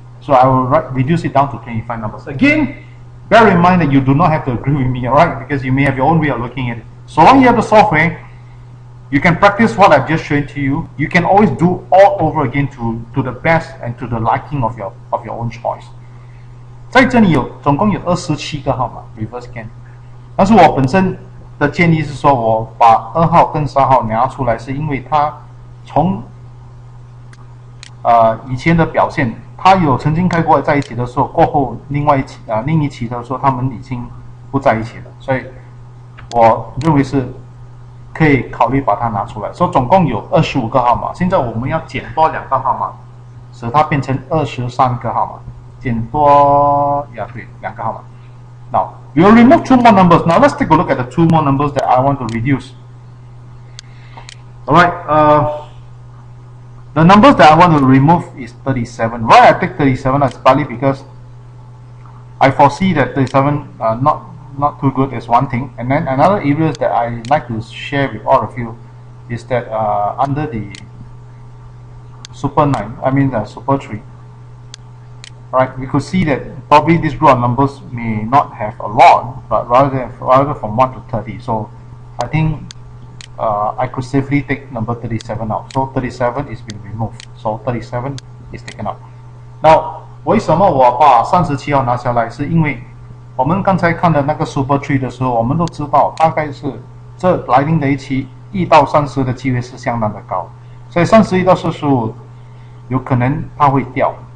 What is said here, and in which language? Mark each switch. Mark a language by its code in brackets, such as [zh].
[en] So I will reduce it down to 25 numbers. Again, bear in mind that you do not have to agree with me, alright? Because you may have your own way of looking at it. So long you have the software, you can practice what I've just shown to you. You can always do all over again to the best and to the liking of your own choice. [zh] 在这里有总共有27个号码 [en] reverse scan. [zh] 但是我本身的建议是说我把2号跟3号拿出来是因为它从以前的表现他有曾经开过在一起的时候，过后另一期的时候他们已经不在一起了，所以我认为是可以考虑把它拿出来。所以总共有25个号码，现在我们要减多两个号码，使它变成23个号码，减多呀对两个号码。 [en] Now we will remove two more numbers. Now let's take a look at the two more numbers that I want to reduce. Alright, The numbers that I want to remove is 37. Why I pick 37 is partly because I foresee that 37 not too good is one thing. And then another area that I like to share with all of you is that under the super 9, I mean super 3. Right, we could see that probably this group of numbers may not have a lot, but rather from 1 to 30. So I think I could safely take number 37 out. So 37 is been removed. So 37 is taken out. [zh] Now, 为什么我把37号拿下来，是因为我们刚才看的那个 Super 3 的时候，我们都知道大概是这来临的一期1到30的机会是相当的高，所以31到45有可能它会掉。